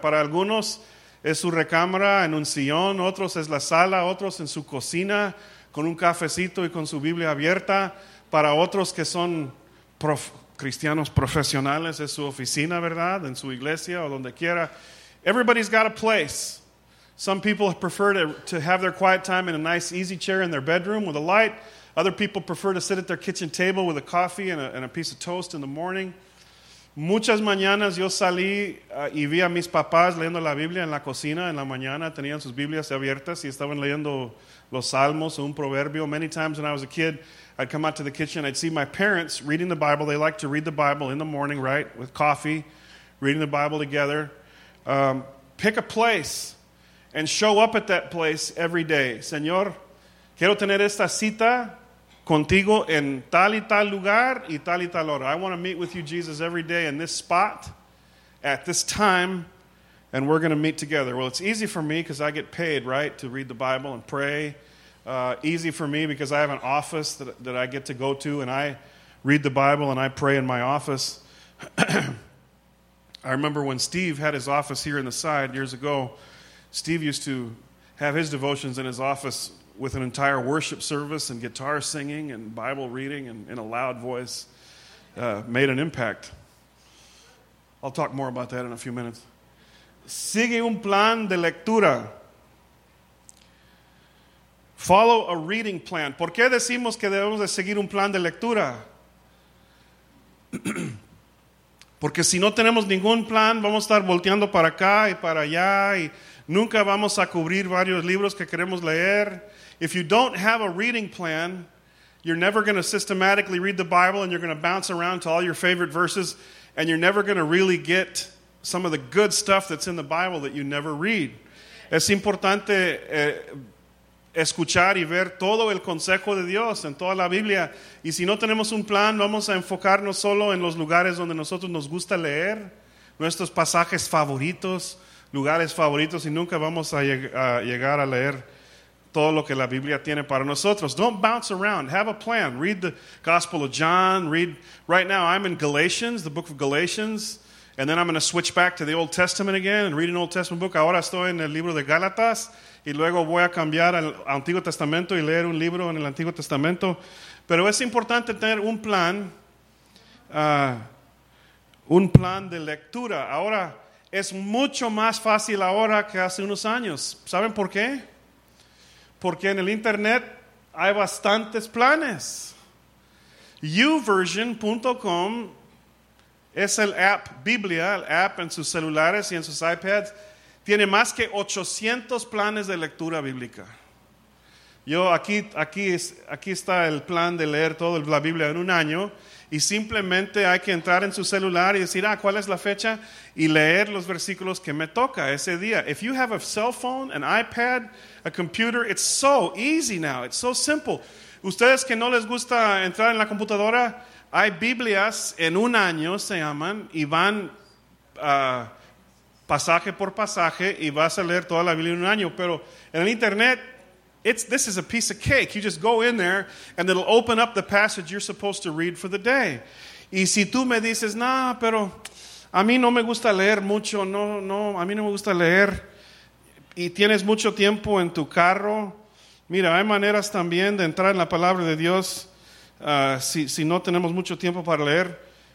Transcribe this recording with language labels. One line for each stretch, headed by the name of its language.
Spanish: Para algunos es su recámara en un sillón. Otros es la sala. Otros en su cocina con un cafecito y con su Biblia abierta. Para otros que son cristianos profesionales, es su oficina, ¿verdad? En su iglesia o donde quiera.
English: Everybody's got a place. Some people prefer to have their quiet time in a nice easy chair in their bedroom with a light. Other people prefer to sit at their kitchen table with a coffee and a piece of toast in the morning.
Spanish: Muchas mañanas yo salí y vi a mis papás leyendo la Biblia en la cocina en la mañana. Tenían sus Biblias abiertas y estaban leyendo los Salmos o un proverbio.
English: Many times when I was a kid, I'd come out to the kitchen, I'd see my parents reading the Bible. They like to read the Bible in the morning, right, with coffee, reading the Bible together. Pick a place and show up at that place every day.
Spanish: Señor, quiero tener esta cita contigo en tal y tal lugar y tal y tal hora.
English: I want to meet with you, Jesus, every day in this spot, at this time, and we're going to meet together. Well, it's easy for me because I get paid, right, to read the Bible and pray. Easy for me because I have an office that I get to go to and I read the Bible and I pray in my office. I remember when Steve had his office here in the side years ago, Steve used to have his devotions in his office with an entire worship service and guitar singing and Bible reading and in a loud voice made an impact. I'll talk more about that in a few minutes.
Spanish: Sigue un plan de lectura.
English: Follow a reading plan.
Spanish: ¿Por qué decimos que debemos de seguir un plan de lectura? Porque si no tenemos ningún plan, vamos a estar volteando para acá y para allá y nunca vamos a cubrir varios libros que queremos leer.
English: If you don't have a reading plan, you're never going to systematically read the Bible and you're going to bounce around to all your favorite verses and you're never going to really get some of the good stuff that's in the Bible that you never read.
Spanish: Es importante escuchar y ver todo el consejo de Dios en toda la Biblia. Y si no tenemos un plan, vamos a enfocarnos solo en los lugares donde nosotros nos gusta leer, nuestros pasajes favoritos, lugares favoritos, y nunca vamos a llegar a leer todo lo que la Biblia tiene para nosotros.
English: Don't bounce around. Have a plan. Read the Gospel of John. Read. Right now, I'm in Galatians, the book of Galatians. And then I'm going to switch back to the Old Testament again and read an Old Testament book.
Spanish: Ahora estoy en el libro de Gálatas. Y luego voy a cambiar al Antiguo Testamento y leer un libro en el Antiguo Testamento. Pero es importante tener un plan de lectura. Ahora, es mucho más fácil ahora que hace unos años. ¿Saben por qué? Porque en el Internet hay bastantes planes. YouVersion.com es el app Biblia, el app en sus celulares y en sus iPads. Tiene más que 800 planes de lectura bíblica. Yo aquí está el plan de leer toda la Biblia en un año. Y simplemente hay que entrar en su celular y decir, ¿cuál es la fecha? Y leer los versículos que me toca ese día.
English: If you have a cell phone, an iPad, a computer, it's so easy now. It's so simple.
Spanish: Ustedes que no les gusta entrar en la computadora, hay Biblias en un año, se llaman, y van pasaje por pasaje y vas a leer toda la Biblia en un año. Pero en el Internet,
English: this is a piece of cake. You just go in there and it'll open up the passage you're supposed to read for the day.
Spanish: Y si tú me dices, pero a mí no me gusta leer mucho, no, a mí no me gusta leer, y tienes mucho tiempo en tu carro, mira, hay maneras también de entrar en la palabra de Dios si no tenemos mucho tiempo para leer.